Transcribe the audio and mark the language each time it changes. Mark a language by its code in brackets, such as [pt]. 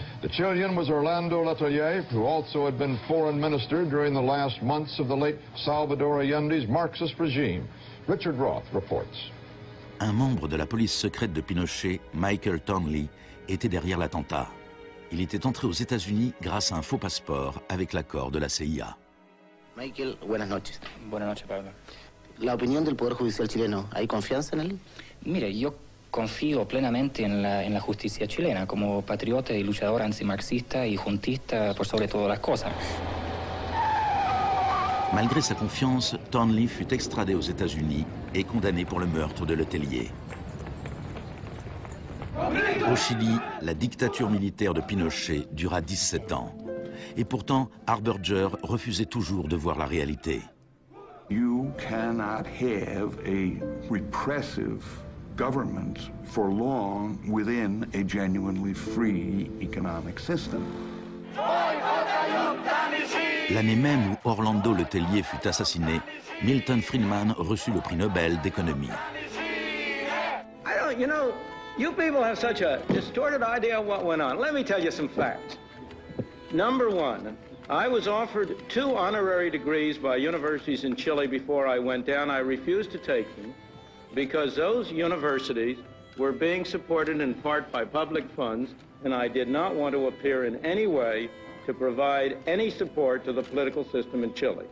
[en] The Chilean was Orlando Letelier, who also had been foreign minister during the last months of the late Salvador Allende's Marxist regime. Richard Roth reports. [fr] Un membre de la police secrète de Pinochet, Michael Townley, était derrière l'attentat. Il était entré aux États-Unis grâce à un faux passeport avec l'accord de la CIA. [es] Michael, buenas noches. Buenas noches, Pablo. La opinión del Poder Judicial chileno, ¿hay confianza en él? Mire, yo Confío plenamente en la justicia chilena como patriota y luchador antimarxista y juntista por sobre todas las cosas. [fr] Malgré sa confiance, Thornley fut extradé aux États-Unis et condamné pour le meurtre de Letellier. Au Chili, la dictature militaire de Pinochet dura 17 ans. Et pourtant, Harbinger refusait toujours de voir la réalité. [en] You cannot have a repressive government for long within a genuinely free economic system. [fr] L'année même où Orlando Letellier fut assassiné, Milton Friedman reçut le prix Nobel d'économie. [en] I don't, you know, you people have such a distorted idea of what went on. Let me tell you some facts. Number one, I was offered two honorary degrees by universities in Chile before I went down. I refused to take them because those universities were being supported in part by public funds, and I did not want to appear in any way to provide any support to the political system in Chile.